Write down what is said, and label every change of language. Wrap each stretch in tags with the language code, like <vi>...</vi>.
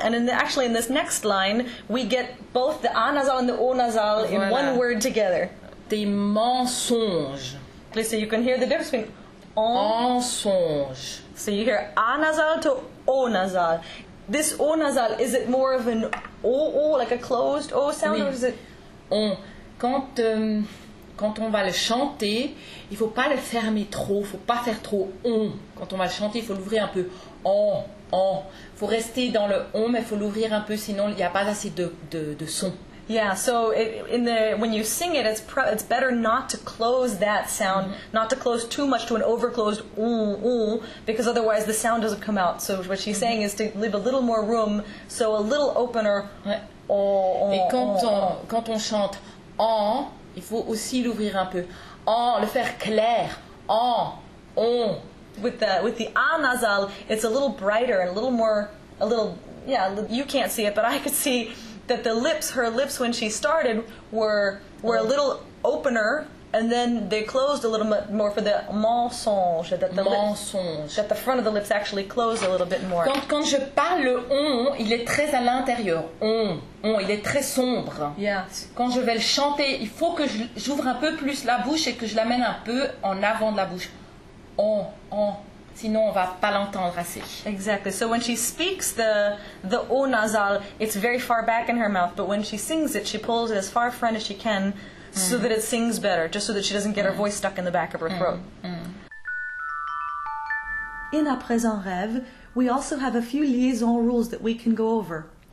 <en>And actually in this next line, we get both the A nasal and the O nasal in one word together.</en> <fr>Des mensonges.</fr> <en>So you can hear the difference between</en> <fr>en songe.</fr> <en>So you hear A nasal to O nasal. This O nasal, is it more of an O, like a closed O sound,</en> <fr>oui.</fr> <en>Or is it...</en> <fr>Quand on va le chanter, il ne faut pas le fermer trop, il ne faut pas faire trop on. Quand on va le chanter, il faut l'ouvrir un peu en. Il faut rester dans le on, mais il faut l'ouvrir un peu, sinon il n'y a pas assez de son.</fr> <en>Yeah, so when you sing it, it's better not to close that sound, not to close too much to an overclosed because otherwise the sound doesn't come out. So what she's saying is to leave a little more room, so a little opener.</en> <fr>Et quand on chante en, il faut aussi l'ouvrir un peu. En, le faire clair. En, on.</fr> <en>with the ah nasal, it's a little brighter and a little, you can't see it, but I could see that her lips when she started were a little opener, and then they closed a little more for the mensonge, that the front of the lips actually closed a little bit more.</en> <fr>Quand je parle le on, il est très à l'intérieur. On, il est très sombre.</fr> <en>Yeah.</en> <fr>Quand je vais le chanter, il faut que j'ouvre un peu plus la bouche et que je l'amène un peu en avant de la bouche. On. Sinon, on va pas l'entendre assez.</fr> <en>Exactly. So when she speaks the O nasal, it's very far back in her mouth. But when she sings it, she pulls it as far front as she can so that it sings better, just so that she doesn't get her voice stuck in the back of her throat. In A Présent Rêve, we also have a few liaison rules that we can go over.</en>